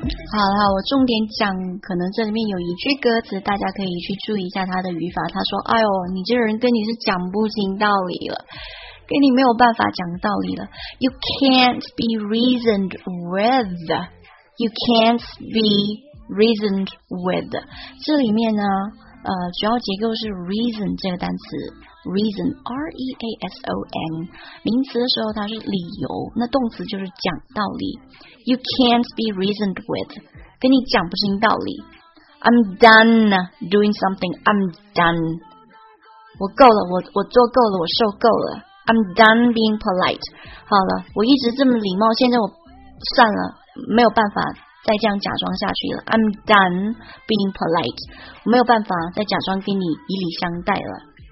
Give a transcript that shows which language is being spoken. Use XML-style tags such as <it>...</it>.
<zh>好了，我重点讲，可能这里面有一句歌词，大家可以去注意一下他的语法。他说：“哎呦，你这人跟你是讲不清道理了，跟你没有办法讲道理了。</zh> <en>You can't be reasoned with. You can't be reasoned with.</en> <zh>这里面呢，主要结构是 reason 这个单词。” Reason, R-E-A-S-O-N, 名词的时候它是理由，那动词就是讲道理。</zh> <en>You can't be reasoned with,</en> <zh>跟你讲不清道理。</zh> <en>I'm done doing something, I'm done.</en> <zh>我够了，我做够了，我受够了。</zh> <en>I'm done being polite.</en> <zh>好了，我一直这么礼貌，现在我算了，没有办法再这样假装下去了。</zh> <en>I'm done being polite.</en> <zh>我没有办法再假装跟你以礼相待了。</zh>